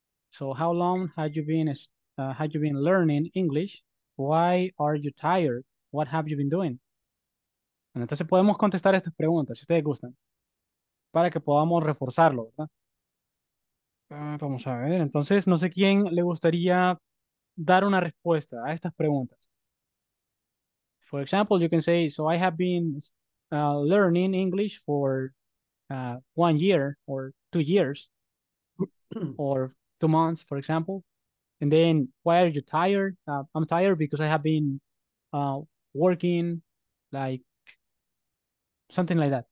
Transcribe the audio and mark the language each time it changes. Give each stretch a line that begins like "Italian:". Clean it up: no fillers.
English: So, how long have you been learning English? Why are you tired? What have you been doing?
Spanish: Bueno, entonces podemos contestar estas preguntas, si ustedes gustan, para que podamos reforzarlo, ¿verdad? Vamos a ver, entonces, no sé quién le gustaría dar una respuesta a estas preguntas.
English: For example, you can say, so I have been learning English for 1 year or 2 years or 2 months, for example. And then, why are you tired? I'm tired because I have been working, like something like that.